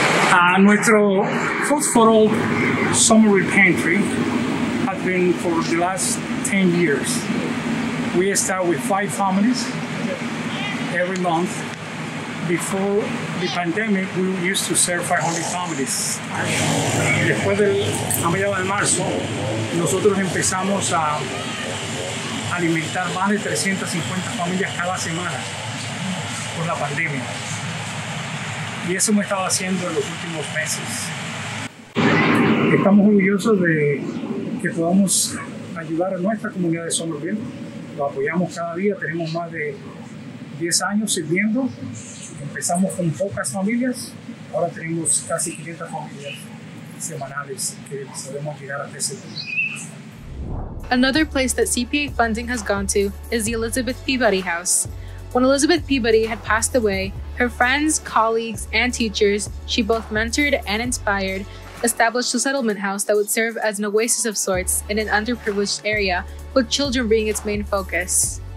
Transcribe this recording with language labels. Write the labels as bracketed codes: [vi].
[en] And nuestro food for all Somerville pantry has been for the last 10 years. We start with 5 families every month. Before the pandemic, we used to serve 500 families. [es] Después del mediados de marzo, nosotros empezamos a alimentar más de 350 familias cada semana por la pandemia. Y eso hemos estado haciendo en los últimos meses. Estamos orgullosos de que podamos ayudar a nuestra comunidad de Somerville. Lo apoyamos cada día, tenemos más de 10 años sirviendo. Empezamos con pocas familias, ahora tenemos casi 500 familias semanales que podemos llegar a ese punto. [en] Another place that CPA funding has gone to is the Elizabeth Peabody House. When Elizabeth Peabody had passed away, her friends, colleagues, and teachers, she both mentored and inspired, established a settlement house that would serve as an oasis of sorts in an underprivileged area, with children being its main focus.